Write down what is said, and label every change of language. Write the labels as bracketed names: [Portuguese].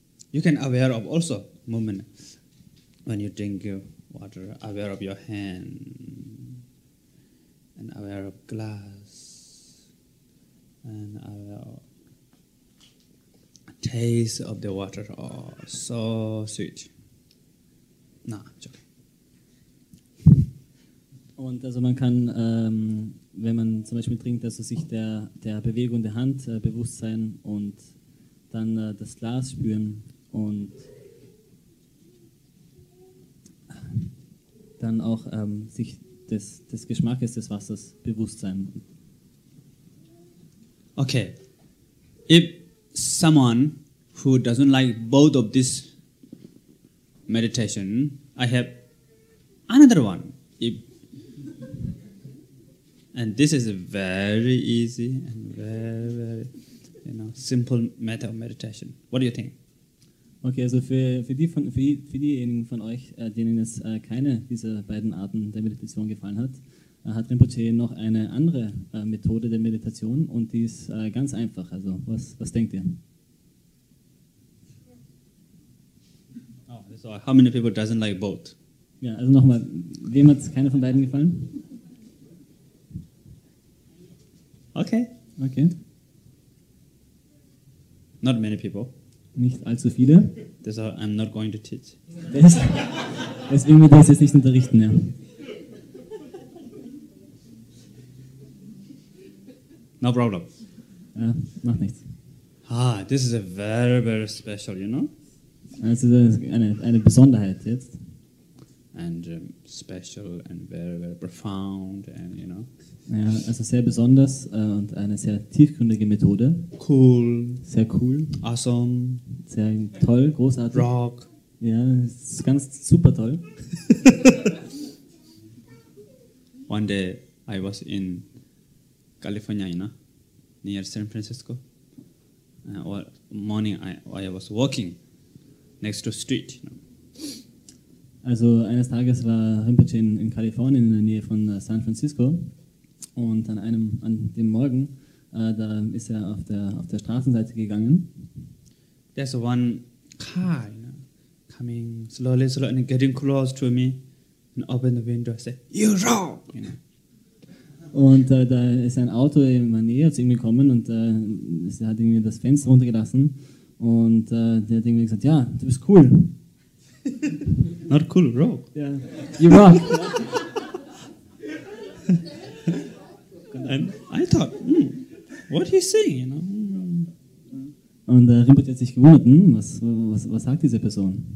[English] You can aware of also movement when you drink water, aware of your hand, and aware of glass, and aware of taste of the water, oh, so sweet. Nah, it's okay. [German] Und also man kann, wenn man zum Beispiel trinkt, also sich der Bewegung der Hand bewusst sein und dann das Glas spüren und dann auch sich des Geschmacks des Wassers bewusst sein. [English] Okay. If someone who doesn't like both of this meditation, I have another one. And this is a very easy and very you know simple method of meditation. What do you think? [German] Okay, also für diejenigen von euch, denen es keine dieser beiden Arten der Meditation gefallen hat, hat Rinpoche noch eine andere Methode der Meditation und die ist ganz einfach. Also was denkt ihr? [English] Oh, so how many people doesn't like both? [German] Ja, also nochmal, wem hat keine von beiden gefallen? [English] Okay. Not many people. [German] Nicht allzu viele. [English] That's all, I'm not going to teach. [German] Deswegen wird das jetzt nicht unterrichten, ja. [English] No problem. [German] Ja, macht nichts. [English] Ah, this is a very, very special, you know? [German] Also das ist eine Besonderheit jetzt. [English] And special and very, very profound and, you know. [German] Ja, also sehr besonders und eine sehr tiefgründige Methode. [English] Cool. [German] Sehr cool. [English] Awesome. [German] Sehr toll, großartig. [English] Rock. [German] Ja, ist ganz super toll. [English] One day I was in California, you know, near San Francisco. Morning I was walking next to street, you know. [German] Also eines Tages war Rinpoche in Kalifornien in der Nähe von San Francisco und an dem Morgen da ist er auf der Straßenseite gegangen. [English] There's one car, you know, coming slowly, slowly and getting close to me and open the window and say, "You wrong!" You know. [German] Und da ist ein Auto in der Nähe zu ihm gekommen und er hat irgendwie das Fenster runtergelassen und der hat irgendwie gesagt, ja, du bist cool. [English] Not cool, rock. Yeah, you rock. And then I thought, what he's saying, you know. [German] Und Rinpoche hat sich gewundert, was sagt diese Person?